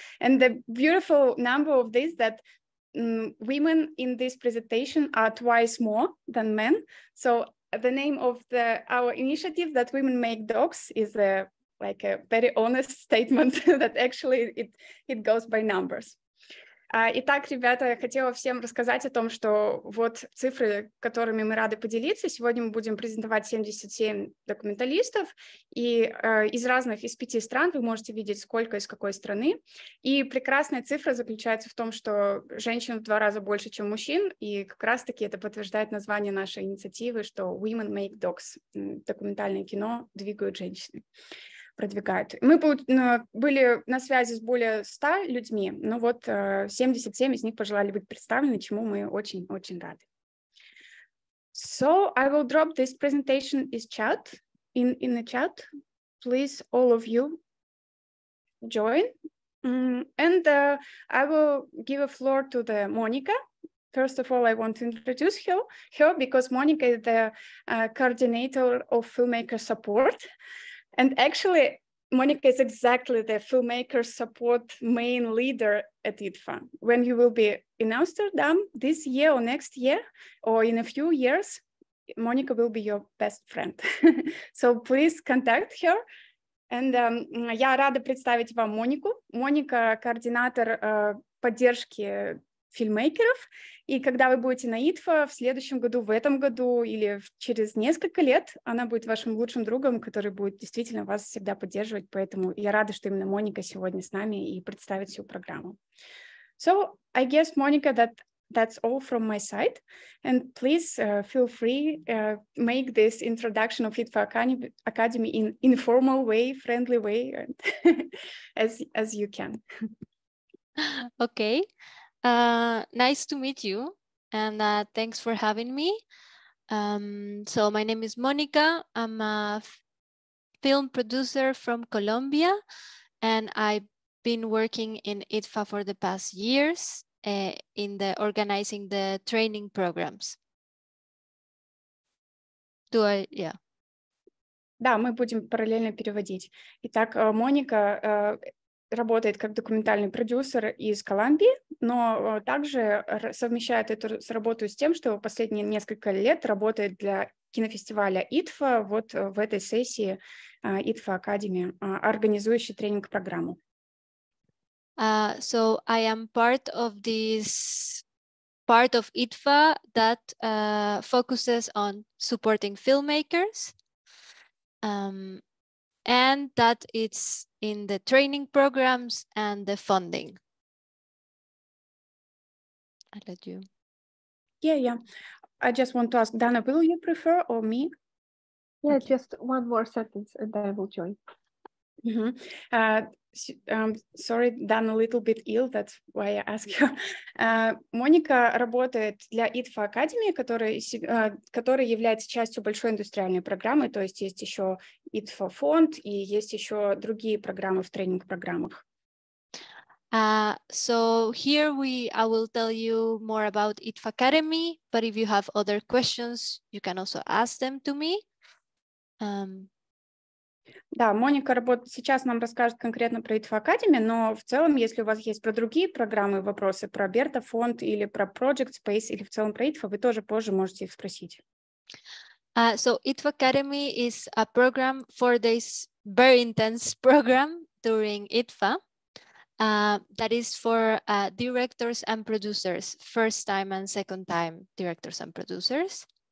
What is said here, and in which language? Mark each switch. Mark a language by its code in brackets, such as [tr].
[en] And the beautiful number of this that women in this presentation are twice more than men. So the name of the our initiative that women make docs is a like a very honest statement that actually it goes by numbers. [ru] Итак, ребята, я хотела всем рассказать о том, что вот цифры, которыми мы рады поделиться. Сегодня мы будем презентовать 77 документалистов и из разных, из 5 стран. Вы можете видеть, сколько из какой страны. И прекрасная цифра заключается в том, что женщин в 2 раза больше, чем мужчин. И как раз-таки это подтверждает название нашей инициативы, что Women Make Docs, документальное кино двигают женщины. Продвигают. Мы были на связи с более 100 людьми, но вот 77 из них пожелали быть представлены, чему мы очень-очень рады. [en] So I will drop this presentation in chat, in the chat. Please, all of you, join. And I will give a floor to the Monica. First of all, I want to introduce her because Monica is the coordinator of filmmaker support. And actually, Monica is exactly the filmmaker support main leader at IDFA. When you will be in Amsterdam this year or next year, or in a few years, Monica will be your best friend. So please contact her. [ru] And я рада представить вам Монику. Моника – координатор поддержки фильмейкеров. И когда вы будете на ИТФА в следующем году, в этом году или через несколько лет, она будет вашим лучшим другом, который будет действительно вас всегда поддерживать. Поэтому я рада, что именно Моника сегодня с нами и представит всю программу. [en] So I guess, Monica, that's all from my side. And please feel free make this introduction of ITFA Academy in informal way, friendly way, as you can. Okay. Nice to meet you, and thanks for having me. So my name is Monica. I'm a film producer from Colombia, and I've been working in IDFA for the past years in the organizing the training programs. [ru] Да, мы будем параллельно переводить. Итак, Моника. Работает как документальный продюсер из Колумбии, но также совмещает эту работу с тем, что последние несколько лет работает для кинофестиваля ИТФА вот в этой сессии ИТФА Академии, организующей тренинг-программу. [en] So I am part of this part of ИТФА that focuses on supporting filmmakers. And that it's in the training programs and the funding. I let you. Yeah, yeah. I just want to ask, Dana, will you prefer or me? Yeah, okay. Just one more sentence and then I will join. Mm-hmm. Sorry, Dan, a little bit ill, that's why I ask you. [ru] Моника работает для IDFAcademy, которая является частью большой индустриальной программы, то есть есть еще IDFA фонд и есть еще другие программы в тренинг-программах. [en] So here I will tell you more about IDFAcademy, but if you have other questions, you can also ask them to me. [ru] Да, Моника сейчас нам расскажет конкретно про IDFAcademy, но в целом, если у вас есть про другие программы вопросы, про Берта фонд или про Project Space, или в целом про IDFA, вы тоже позже можете их спросить. [en] So IDFAcademy is a program, 4 days, very intense program during IDFA, that is for directors and producers, first time and second time directors and producers.